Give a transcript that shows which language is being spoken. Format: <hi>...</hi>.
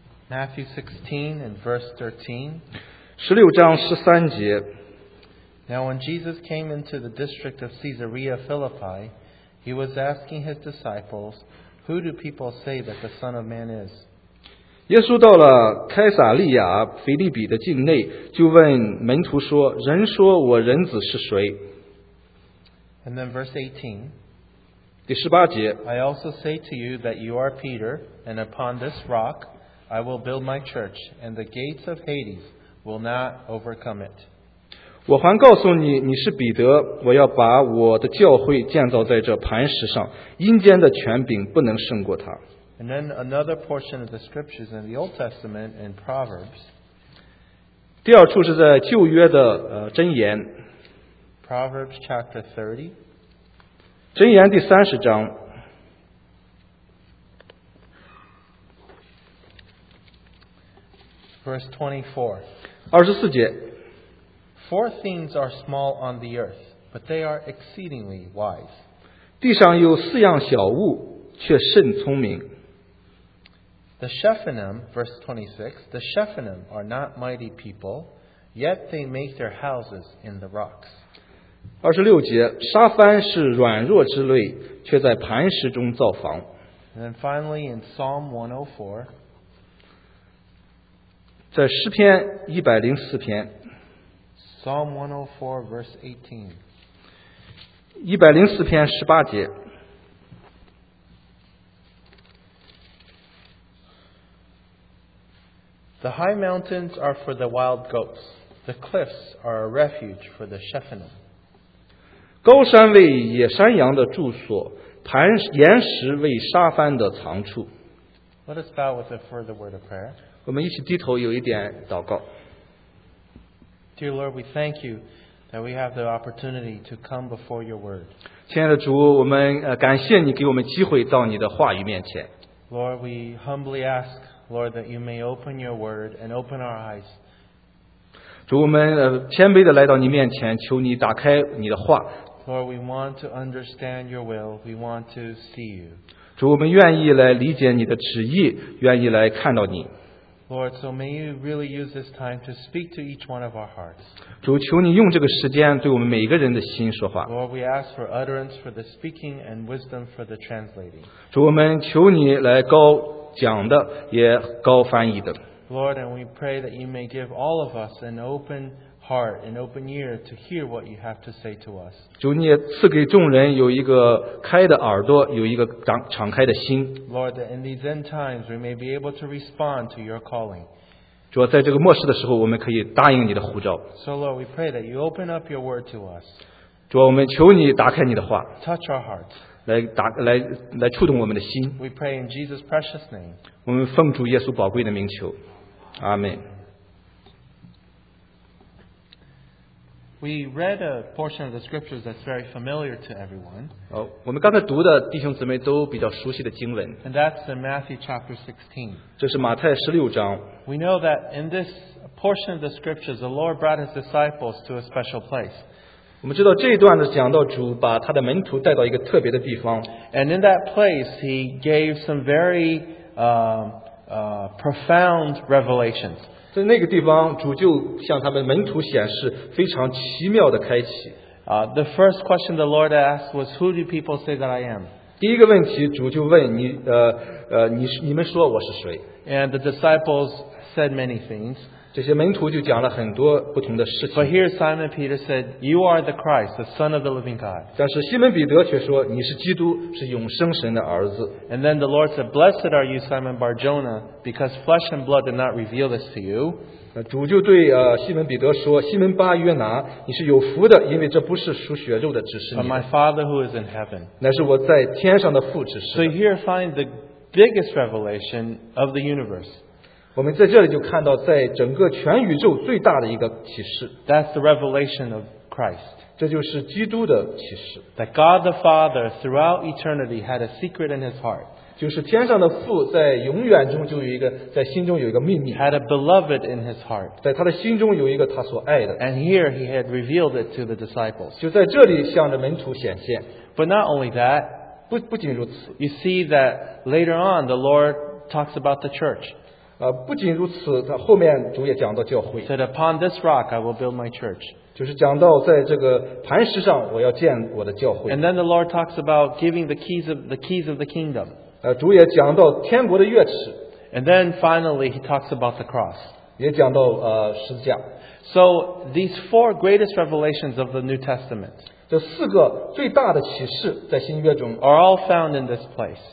<en>Matthew 16 and verse 13.</en> <zh>十六章十三节。</zh> <en>Now when Jesus came into the district of Caesarea Philippi, he was asking his disciples, Who do people say that the Son of Man is?</en> <zh>耶稣到了凯撒利亚腓立比的境内，就问门徒说，人说我人子是谁？</zh> <en>And then verse 18.</en> <zh>第十八节。</zh> <en>I also say to you that you are Peter, and upon this rock I will build my church, and the gates of Hades will not overcome it.</en> <zh>我还告诉你，你是彼得，我要把我的教会建造在这磐石上，阴间的权柄不能胜过它。</zh> <en>And then another portion of the scriptures in the Old Testament in Proverbs.</en> <zh>第二处是在旧约的箴言。</zh> <en>Proverbs chapter 30.</en> <zh>箴言第三十章。</zh> <en>Verse 24.</en> <zh>24节。</zh> <en>Four things are small on the earth, but they are exceedingly wise.</en> <zh>地上有四样小物，却甚聪明。</zh> <en>The Shephanim, verse 26, the Shephanim are not mighty people, yet they make their houses in the rocks.</en> <zh>26节，沙番是软弱之类，却在磐石中造房。</zh> <en>And then finally in Psalm 104,</en> <zh>在诗篇104篇。</zh> <en>Psalm 104, verse 18.</en> <zh>104篇十八节。</zh> <en>The high mountains are for the wild goats. The cliffs are a refuge for the Shephanim.</en> <zh>高山为野山羊的住所，磐岩石为沙番的藏处。</zh> <en>Let us bow with a further word of prayer.</en> <zh>我们一起低头有一点祷告。</zh> <en>Dear Lord, we thank you that we have the opportunity to come before your word.</en> <zh>亲爱的主，我们感谢你给我们机会到你的话语面前。</zh> <en>Lord, we humbly ask, Lord, that you may open your word and open our eyes.</en> <zh>主，我们谦卑地来到你面前，求你打开你的话。</zh> <en>Lord, we want to understand your will. We want to see you.</en> <zh>主，我们愿意来理解你的旨意，愿意来看到你。</zh> <en>Lord, so may you really use this time to speak to each one of our hearts.</en> <zh>主，求你用这个时间对我们每一个人的心说话。</zh> <en>Lord, we ask for utterance for the speaking and wisdom for the translating.</en> <zh>主，我们求你来高讲的，也高翻译的。</zh> <en>Lord, and we pray that you may give all of us an open heart, an open ear to hear what you have to say to us.</en> <zh>主，你也赐给众人有一个开的耳朵，有一个敞开的心。</zh> <en>Lord, that in these end times we may be able to respond to your calling.</en> <zh>主，在这个末世的时候，我们可以答应你的呼召。</zh> <en>So Lord, we pray that you open up your word to us.</en> <zh>主，我们求你打开你的话。</zh> <en>Touch our hearts.</en> <zh>来触动我们的心。</zh> <en>We pray in Jesus' precious name.</en> <zh>我们奉主耶稣宝贵的名求，阿门。</zh> <en>We read a portion of the scriptures that's very familiar to everyone.</en> <zh>我们刚才读的弟兄姊妹都比较熟悉的经文。</zh> <en>And that's in Matthew chapter 16.</en> <zh>这是马太十六章。</zh> <en>We know that in this portion of the scriptures, the Lord brought his disciples to a special place.</en> <zh>我们知道这一段呢，讲到主把他的门徒带到一个特别的地方。</zh> <en>And in that place, he gave some very profound revelations.</en> <zh>在那个地方，主就向他们门徒显示非常奇妙的开启。</zh> <en>The first question the Lord asked was, "Who do people say that I am?"</en> <zh>第一个问题，主就问你，你们说我是谁</zh> <en>？And the disciples said many things.</en> <zh>这些门徒就讲了很多不同的事情。</zh> <en>But here Simon Peter said, "You are the Christ, the Son of the Living God."</en> <zh>但是西门彼得却说，你是基督，是永生神的儿子。</zh> <en>And then the Lord said, "Blessed are you, Simon Barjona, because flesh and blood did not reveal this to you."</en> <zh>主就对西门彼得说，西门巴约拿，你是有福的，因为这不是属血肉的指示你。</zh> <en>But my Father who is in heaven.</en> <zh>乃是我在天上的父指示。</zh> <en>So here find the biggest revelation of the universe.</en> <zh>我们在这里就看到在整个全宇宙最大的一个启示。</zh> <en>That's the revelation of Christ. That God the Father throughout eternity had a secret in his heart. Had a beloved in his heart. And here he had revealed it to the disciples. But not only that,</en> <zh>不仅如此,</zh> <en>you see that later on the Lord talks about the church.</en> <zh>不仅如此,</zh> <en>said, upon this rock I will build my church.</en> <zh>就是讲到在这个磐石上,</zh> <en>and then the Lord talks about giving the keys of the kingdom.</en> <zh>主也讲到天国的钥匙,</zh> <en>and then finally he talks about the cross.</en> <zh>也讲到, 十字架,</zh> <en>so these four greatest revelations of the New Testament are all found in this place.</en>